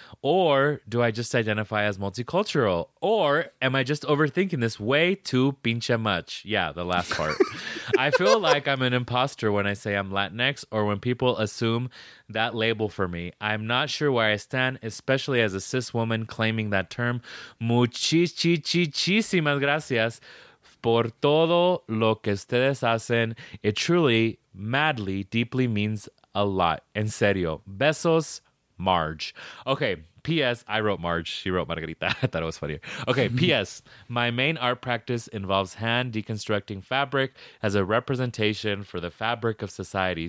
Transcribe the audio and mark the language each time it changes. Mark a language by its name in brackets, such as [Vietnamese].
[English] Or do I just identify as multicultural? Or am I just overthinking this way too pinche much? Yeah, the last part. I feel like I'm an imposter when I say I'm Latinx or when people assume that label for me. I'm not sure where I stand, especially as a cis woman claiming that term. [Spanish] Muchísimas gracias por todo lo que ustedes hacen. [English] It truly, madly, deeply means a lot. [Spanish] En serio. Besos, [English] Marge. Okay, P.S. I wrote Marge. She wrote Margarita. I thought it was funnier. Okay, P.S. My main art practice involves hand deconstructing fabric as a representation for the fabric of society.